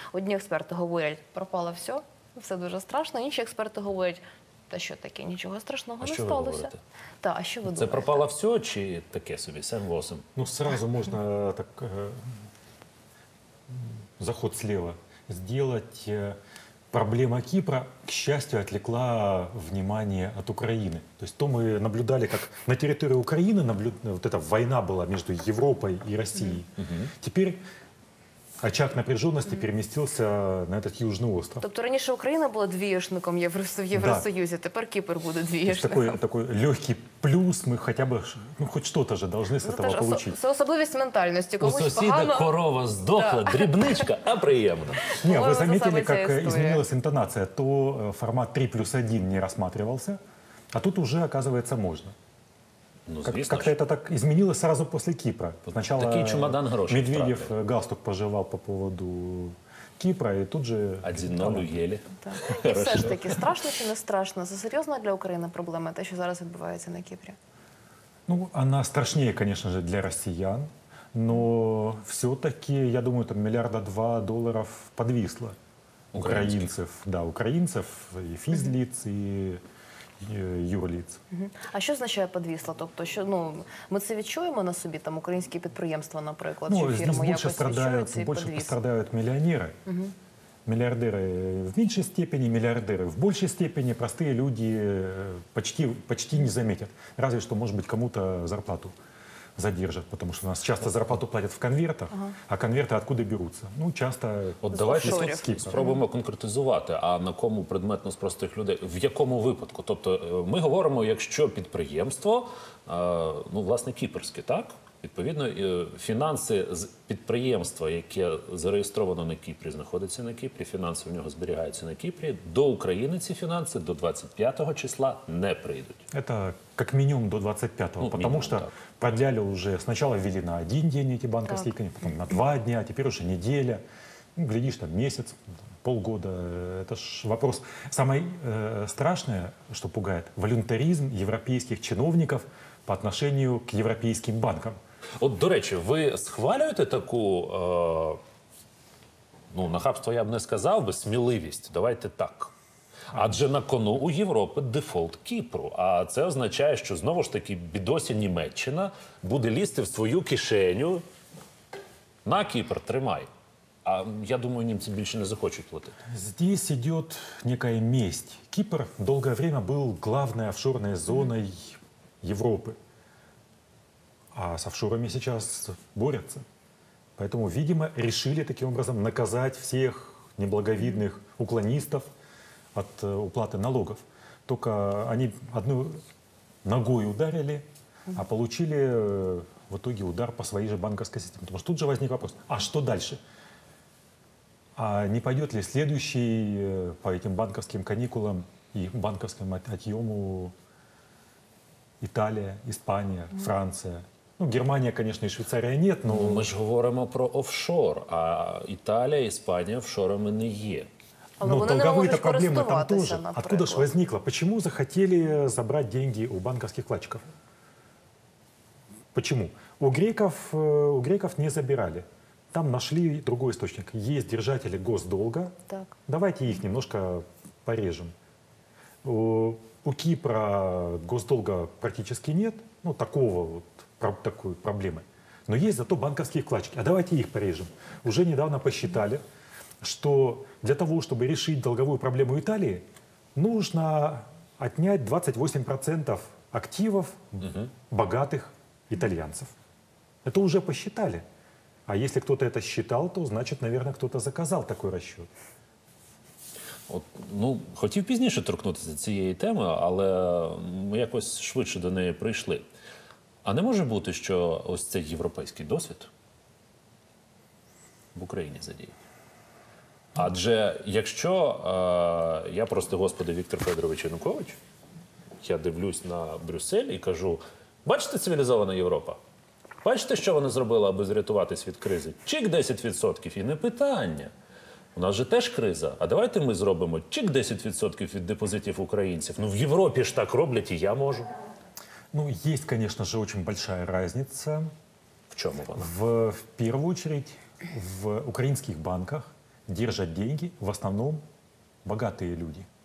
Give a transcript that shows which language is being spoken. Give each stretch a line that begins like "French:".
Ukrainian: Одні експерти говорять, пропало все дуже страшно, інші експерти говорять, та що таке? Нічого страшного не сталося. Та, а що ви думаєте? Це пропало все чи таке собі? 7-8? Ну, зразу можна так заход зліва зробити.
Russian: Проблема Кіпра, к счастью, отвлекла внимание от Украины. То есть то мы наблюдали, как на территории Украины вот эта война была между Европой и Россией. Теперь Очаг напряженности переместился на этот южный остров.
Ukrainian: Тобто раніше
Russian: Украина была двієшником в Евросоюзе, теперь Кипр будет двієшником. Такой легкий плюс, мы хотя бы, ну хоть что-то же должны с этого получить. Это особенность ментальности. У соседа корова сдохла,
Ukrainian: дрібничка, а приємно.
Russian: Нет, вы заметили, как изменилась интонация, то формат 3+1 не рассматривался, а тут уже, оказывается, можно. Ну, как-то это так изменилось сразу после Кипра. Сначала такие чемодан грошей, Медведев правда. Галстук пожевал по поводу Кипра, и тут же... 1-0 ели. Да. И все ж таки, страшно или не страшно? Это серьезно для Украины проблема, то, что сейчас происходит на Кипре? Ну, она страшнее, конечно же, для россиян, но все-таки, я думаю, там $1,2 млрд подвисло. Украинцев. Да, украинцев, и физлиц, и... юрліц.
Ukrainian: А що означає подвісла? Тобто, що, ну, ми це відчуємо на собі, там, українські підприємства, наприклад, ну, чи фірми якось відчувають ці подвіс? Пострадають мільйонери. Мільярдери в меншій степені, мільярдери в більшій степені, прості люди почти не замітять.
Russian: Разве що, може бути, кому-то зарплату задержать, потому что у нас часто зарплату платят в конвертах, а конверты откуда берутся? Ну, часто...
Ukrainian: От давайте спробуємо конкретизувати, а на кому предметно з простих людей, в якому випадку? Тобто ми говоримо, якщо підприємство, ну, власне, кіпрське, так? Відповідно, фінанси з підприємства, яке зареєстровано на Кіпрі, знаходиться на Кіпрі, фінанси в нього зберігаються на Кіпрі, до України ці фінанси до 25-го числа не прийдуть.
Russian: Это как минимум до 25-го, ну, потому что продляли уже, сначала ввели на один день эти банковские кредиты, потом на два дня, теперь уже неделя, ну, глядишь, там месяц, полгода. Это ж вопрос. Самое страшное, что пугает, волюнтаризм европейских чиновников по отношению к европейским банкам.
Ukrainian: От, до речі, ви схвалюєте таку, ну, нахабство я б не сказав би, сміливість, давайте так. Адже на кону у Європи дефолт Кіпру, а це означає, що, знову ж таки, бідосі Німеччина буде лізти в свою кишеню, на Кіпр тримай. А я думаю, німці більше не захочуть платити.
Russian: Здесь йде нека месть.
Ukrainian: Кіпр довге время був главною офшорною зоною Європи.
Russian: А с офшорами сейчас борются. Поэтому, видимо, решили таким образом наказать всех неблаговидных уклонистов от уплаты налогов. Только они одну ногой ударили, а получили в итоге удар по своей же банковской системе. Потому что тут же возник вопрос, а что дальше? А не пойдет ли следующий по этим банковским каникулам и банковскому отъему Италия, Испания, Франция?
Ukrainian: Ну, Германія, звісно, і Швейцарія – ні, але... Ми ж говоримо про офшор, а Італія, Іспанія офшорами не є. Але вони не можуть користуватися,
Russian: наприклад. Откуда ж возникло?
Ukrainian: Чому захотіли забрати гроші у банківських вкладчиків? Чому? У греків не забирали. Там знайшли інший істочник. Є держателі госдолга. Так. Давайте їх немножко порежемо. У Кіпра госдолга практично немає.
Russian: Ну, такого от. Такой проблемой. Но есть зато банковские вкладчики. А давайте их порежем. Уже недавно посчитали, что для того, чтобы решить долговую проблему Италии, нужно отнять 28% активов богатых итальянцев. Это уже посчитали. А если кто-то это считал, то значит, наверное, кто-то заказал такой расчет.
Ukrainian: От, ну, хотів пізніше торкнутися цієї теми, але ми якось швидше до неї прийшли. А не може бути, що ось цей європейський досвід в Україні задіяний? Адже якщо я просто господи Віктор Федорович Янукович, я дивлюсь на Брюссель і кажу, бачите цивілізована Європа? Бачите, що вона зробила, аби зрятуватись від кризи? Чик 10% і не питання. У нас же теж криза. А давайте ми зробимо чик 10% від депозитів українців. Ну в Європі ж так роблять і я можу.
Russian: Ну, есть, конечно же, очень большая разница. В чем она? В первую очередь, в украинских банках держат деньги в основном богатые люди.